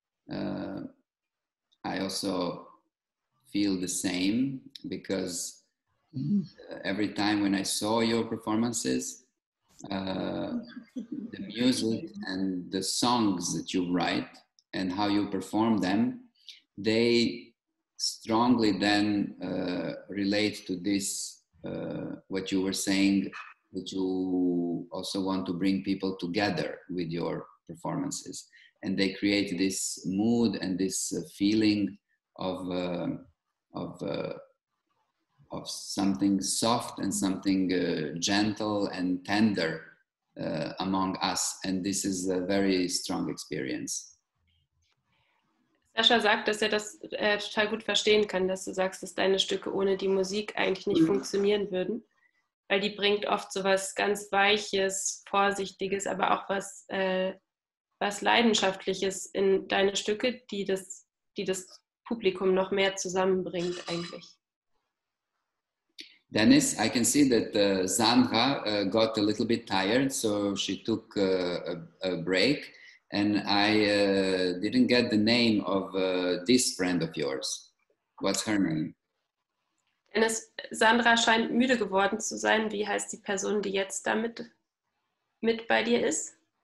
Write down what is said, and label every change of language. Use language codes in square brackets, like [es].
[en] I also feel the same because every time when I saw your performances, the music and the songs that you write and how you perform them, they strongly then relate to this, what you were saying, that you also want to bring people together with your performances. And they create this mood and this feeling of something soft and something gentle and tender among us. And this is a very strong experience. [de] Sascha sagt, dass er das total gut verstehen kann, dass du sagst, dass deine Stücke ohne die Musik eigentlich nicht funktionieren würden. Weil die bringt oft so was ganz Weiches, Vorsichtiges, aber auch was, was Leidenschaftliches in deine Stücke, die das Publikum noch mehr zusammenbringt eigentlich. [en] Dennis, I can see that Sandra got a little bit tired, so she took a break. And I didn't get the name of this friend of yours. What's her name? [de] Dennis, Sandra scheint müde geworden zu sein. Wie heißt die Person, die jetzt da mit bei dir ist?